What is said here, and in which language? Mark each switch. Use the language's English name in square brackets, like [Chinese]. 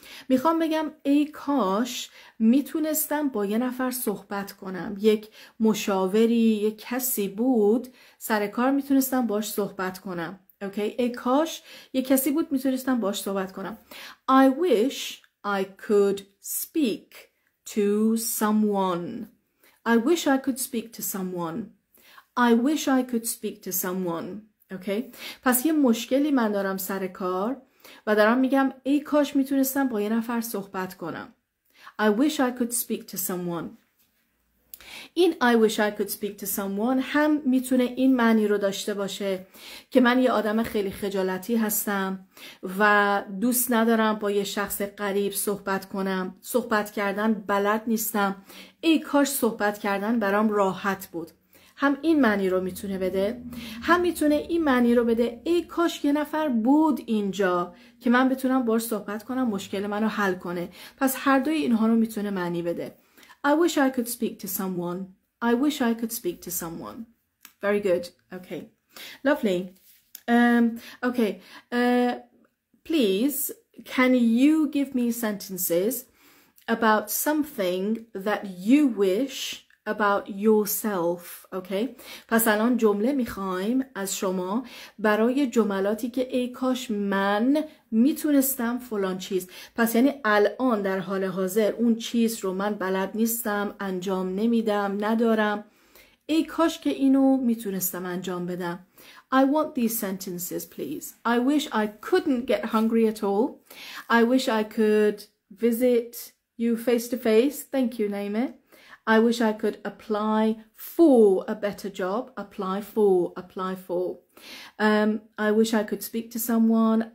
[Persian] میخوام بگم ای کاش میتونستم با یه نفر صحبت کنم، یک مشاوری، یک کسی بود سر کار میتونستم باش صحبت کنم. اوکی، ای کاش یک کسی بود میتونستم باش صحبت کنم. [English] I wish I could speak to someone. I wish I could speak to someone. I wish I could speak to someone. Okay. [Persian] پس یه مشکلی من دارم سر کار و دارم میگم ای کاش میتونستم با یه نفر صحبت کنم. [English] I wish I could speak to someone. [Persian] این [English] I wish I could speak to someone [Persian] هم میتونه این معنی رو داشته باشه که من یه آدم خیلی خجالتی هستم و دوست ندارم با یه شخص غریب صحبت کنم، صحبت کردن بلد نیستم، ای کاش صحبت کردن برام راحت بود. هم این معنی رو میتونه بده، هم میتونه این معنی رو بده ای کاش یه نفر بود اینجا که من بتونم باهاش صحبت کنم، مشکل منو حل کنه. پس هر دوی اینها رو میتونه معنی بده. [English] I wish I could speak to someone. I wish I could speak to someone. Very good. Okay. Lovely. Okay. Please, can you give me sentences about something that you wish about yourself, okay? [Persian] پس الان جمله میخوایم از شما برای جملاتی که ای کاش من میتونستم فلان چیز. پس یعنی الان در حال حاضر اون چیز رو من بلد نیستم، انجام نمیدم، ندارم. ای کاش که اینو میتونستم انجام بدم. [English] I want these sentences, please. I wish I couldn't get hungry at all. I wish I could visit you face to face. Thank you, Nameh. I wish I could apply for a better job. Apply for, apply for. I wish I could speak to someone.